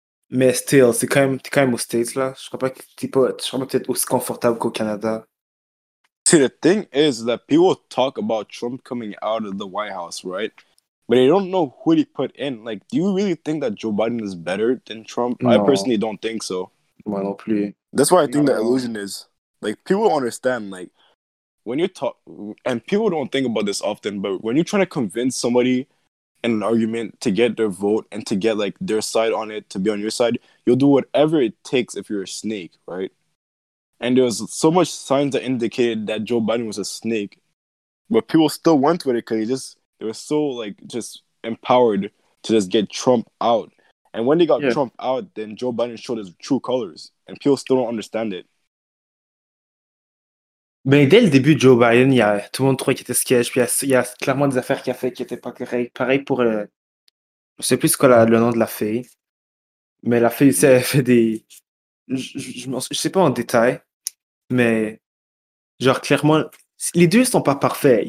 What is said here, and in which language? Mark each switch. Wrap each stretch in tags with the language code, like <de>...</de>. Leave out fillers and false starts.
<fr>Mais still, c'est quand même aux States, là. Je crois pas que tu es peut-être aussi confortable qu'au Canada.</fr> <en>See, the thing is that people talk about Trump coming out of the White House, right? But they don't know who he put in. Like, do you really think that Joe Biden is better than Trump? I</en> <fr>Non.</fr> <en>personally don't think so.</en> <fr>Moi non plus.</fr> <en>That's why I think the</en> <fr>Non.</fr> <en>illusion is. Like, people understand, like, when you talk, and people don't think about this often, but when you're trying to convince somebody in an argument to get their vote and to get, like, their side on it, to be on your side, you'll do whatever it takes if you're a snake, right? And there was so much signs that indicated that Joe Biden was a snake, but people still went with it because they were so like just empowered to just get Trump out. And when they got Yeah. Trump out, then Joe Biden showed his true colors, and people still don't understand it.</en> <fr>Mais dès le début de Joe Biden, tout le monde trouvait qu'il était sketch, puis il y a clairement des affaires qu'il a faites qui n'étaient pas correctes. Pareil pour je sais plus le nom de la fille, mais la fille, elle fait des. Je sais pas en détail, mais genre clairement, les deux sont pas parfaits.</fr>